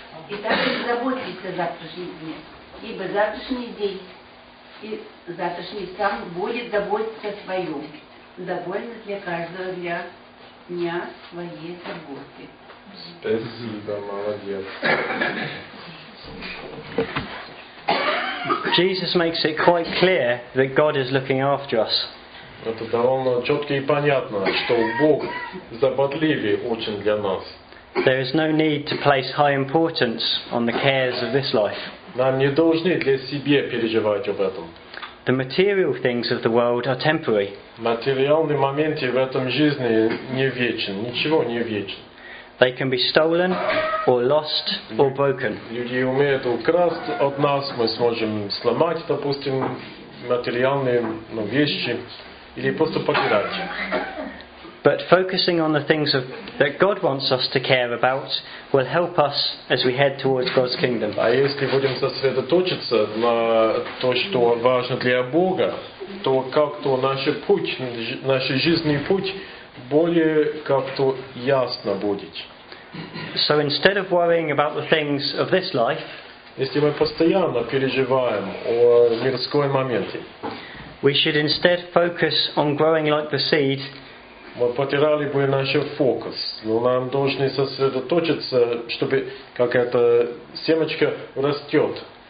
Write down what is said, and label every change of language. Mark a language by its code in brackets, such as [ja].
[ru] Итак, не заботьтесь о завтрашнем дне, ибо завтрашний день и завтрашний сам будет заботиться о своем, довольно для каждого дня своей заботы. [en] Jesus makes it quite clear that God is looking after us. [ru] Это довольно четко и понятно, что Бог заботливый очень для нас. [en] There is no need to place high importance on the cares of this life. [ru] Нам не должны для себя переживать об этом. [en] The material things of the world are temporary. [ru] Материальные моменты в этом жизни не вечны. Ничего не вечно. [en] They can be stolen, or lost, or broken. [ru] Люди умеют украсть от нас, мы сможем сломать, допустим, материальные вещи, или просто потерять. [en] But focusing on the things of, that God wants us to care about will help us as we head towards God's kingdom. [ru] А если будем сосредоточиться на то, что важно для Бога, то как-то наш путь, наш жизненный путь более как-то ясно будет. [en] So instead of worrying about the things of this life, [ru] если мы постоянно переживаем о мирской моменте, [en] we should instead focus on growing like the seed. [ru] Мы потеряли бы наш фокус, но нам должны сосредоточиться, чтобы как эта семечка растет.